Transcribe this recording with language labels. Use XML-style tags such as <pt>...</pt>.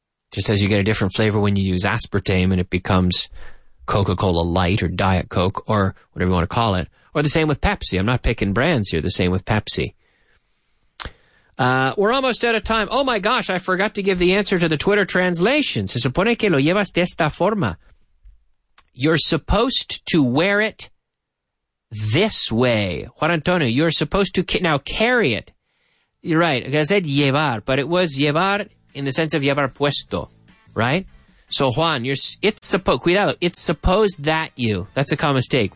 <en>Just as you get a different flavor when you use aspartame and it becomes Coca-Cola Light or Diet Coke or whatever you want to call it. Or the same with Pepsi. I'm not picking brands here. The same with Pepsi. We're almost out of time. Oh my gosh, I forgot to give the answer to the Twitter translation.</en> <es>Se supone que lo llevas de esta forma.</es> <en>You're supposed to wear it this way. Juan Antonio, you're supposed to carry it. You're right. I said llevar, but it was llevar in the sense of llevar puesto, right? So Juan, it's supposed that you. That's a common mistake.</en>